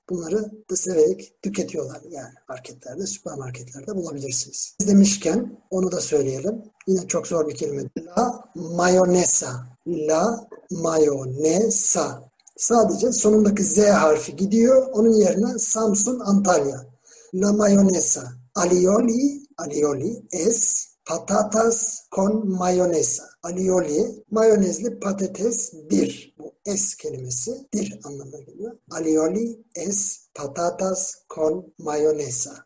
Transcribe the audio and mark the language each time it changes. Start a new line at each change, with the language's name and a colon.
Turkish: Bunları da severek tüketiyorlar yani marketlerde, süpermarketlerde bulabilirsiniz. Siz demişken onu da söyleyelim. Yine çok zor bir kelime.
Spanish: La mayonesa. La mayonesa.
Turkish: Sadece sonundaki Z harfi gidiyor. Onun yerine Samsun, Antalya.
Spanish: La mayonesa. Alioli. Alioli es patatas con mayonesa.
Turkish: Alioli, mayonezli patatesdir. Bu es kelimesi dir anlamına geliyor.
Spanish: Alioli es patatas con mayonesa.